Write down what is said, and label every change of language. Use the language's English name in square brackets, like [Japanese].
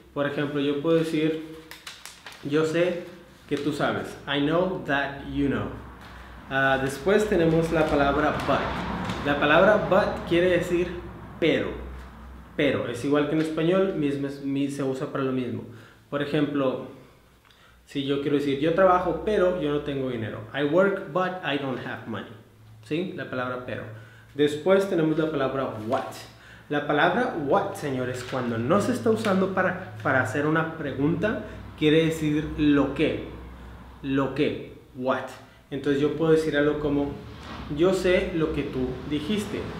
[Spanish] Por ejemplo, yo puedo decir, yo sé que tú sabes. [English] I know that you know. [Spanish] Después tenemos la palabra but. La palabra but quiere decir pero. Pero es igual que en español, se usa para lo mismo. Por ejemplo, si yo quiero decir yo trabajo, pero yo no tengo dinero. [English] I work, but I don't have money. [Spanish] ¿Sí? La palabra pero. Después tenemos la palabra what. La palabra what, señores, cuando no se está usando para hacer una pregunta, quiere decir lo que. Lo que. What. Entonces yo puedo decir algo como, yo sé lo que tú dijiste.